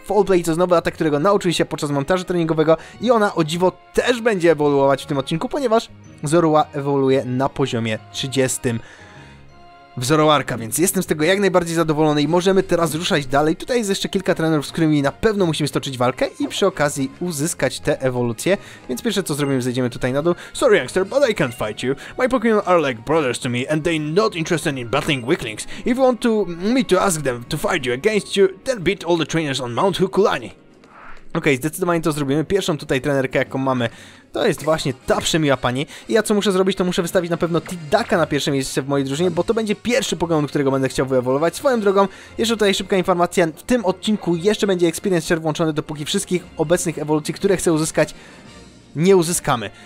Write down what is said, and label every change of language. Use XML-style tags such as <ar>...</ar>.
<pl>Fall Play to znowu atak, którego nauczyli się podczas montażu treningowego, i ona o dziwo też będzie ewoluować w tym odcinku, ponieważ Zorua ewoluuje na poziomie 30 w Zoroarka, więc jestem z tego jak najbardziej zadowolony i możemy teraz ruszać dalej. Tutaj jest jeszcze kilka trenerów, z którymi na pewno musimy stoczyć walkę i przy okazji uzyskać te ewolucje. Więc pierwsze co zrobimy, zejdziemy tutaj na dół.</pl> <en>Sorry youngster, but I can't fight you. My Pokemon are like brothers to me and they not interested in battling weaklings. If you want to me to ask them to fight you against you, then beat all the trainers on Mount Hukulani.</en> <pl>Okej, zdecydowanie to zrobimy. Pierwszą tutaj trenerkę, jaką mamy, to jest właśnie ta przemiła pani. I ja co muszę zrobić, to muszę wystawić na pewno Tidducka na pierwsze miejsce w mojej drużynie, bo to będzie pierwszy Pokémon, którego będę chciał wyewoluować. Swoją drogą, jeszcze tutaj szybka informacja, w tym odcinku jeszcze będzie Experience Share włączony, dopóki wszystkich obecnych ewolucji, które chcę uzyskać, nie uzyskamy.</pl>